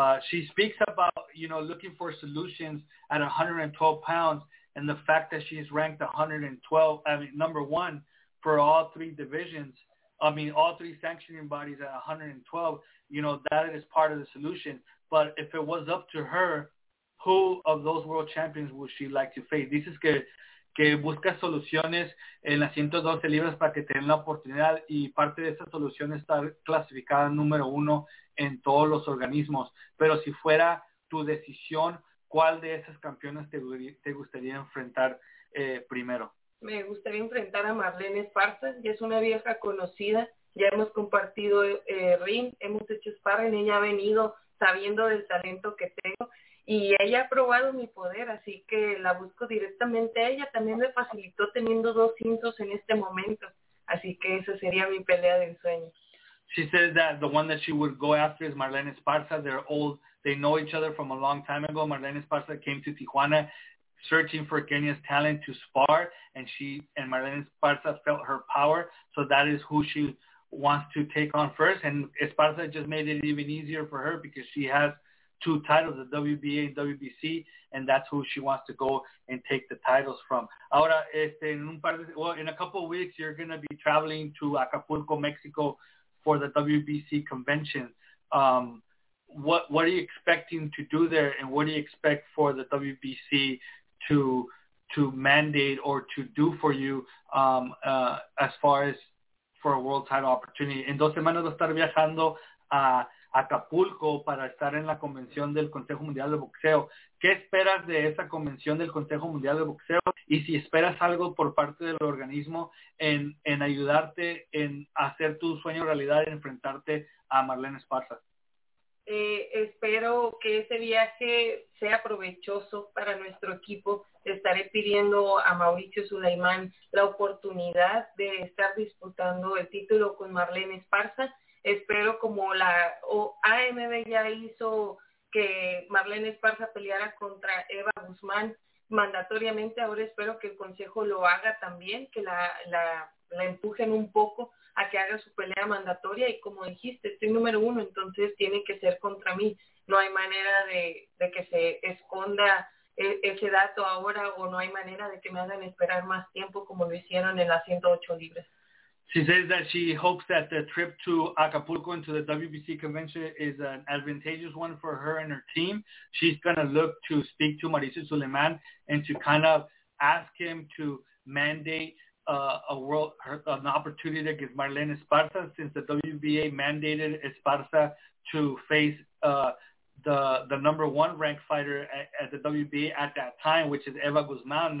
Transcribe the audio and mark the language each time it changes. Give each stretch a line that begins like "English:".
English: She speaks about, you know, looking for solutions at 112 pounds, and the fact that she's ranked 112, number one for all three divisions. I mean, all three sanctioning bodies at 112. You know, that is part of the solution. But if it was up to her, who of those world champions would she like to face?
Spanish: Dices que busca soluciones en las 112 libras para que tengan la oportunidad, y parte de esa solución está clasificada número uno en todos los organismos. Pero si fuera tu decisión, ¿cuál de esas campeonas te gustaría enfrentar primero? Me gustaría enfrentar a Marlene Esparza, ya es una vieja conocida, ya hemos compartido ring, hemos hecho sparring, ella ha venido sabiendo del talento que tengo, y ella ha probado mi poder, así que la busco directamente a ella. También me facilitó teniendo dos cintos en este momento, así que esa sería mi pelea de ensueño.
English: She says that the one that she would go after is Marlene Esparza. They're old. They know each other from a long time ago. Marlene Esparza came to Tijuana searching for Kenya's talent to spar, and she and Marlene Esparza felt her power. So that is who she wants to take on first. And Esparza just made it even easier for her because she has two titles, the WBA and WBC, and that's who she wants to go and take the titles from. Ahora, in a couple of weeks, you're going to be traveling to Acapulco, Mexico, for the WBC convention. What are you expecting to do there, and what do you expect for the WBC to mandate or to do for you as far as for a world title opportunity?
Spanish: En dos semanas va a estar viajando a Acapulco para estar en la convención del Consejo Mundial de Boxeo. ¿Qué esperas de esa convención del Consejo Mundial de Boxeo? Y si esperas algo por parte del organismo en ayudarte en hacer tu sueño realidad, en enfrentarte a Marlene Esparza. Espero que ese viaje sea provechoso para nuestro equipo. Estaré pidiendo a Mauricio Sulaimán la oportunidad de estar disputando el título con Marlene Esparza. Espero, como la AMB ya hizo que Marlene Esparza peleara contra Eva Guzmán mandatoriamente, ahora espero que el Consejo lo haga también, que la empujen un poco a que haga su pelea mandatoria, y como dijiste, estoy número uno, entonces tiene que ser contra mí. No hay manera de que se esconda ese dato ahora, o no hay manera de que me hagan esperar más tiempo como lo hicieron en la 108 libras.
English: She says that she hopes that the trip to Acapulco and to the WBC convention is an advantageous one for her and her team. She's going to look to speak to Mauricio Sulaimán and to kind of ask him to mandate an opportunity to give Marlene Esparza, since the WBA mandated Esparza to face the number one ranked fighter at the WBA at that time, which is Eva Guzmán.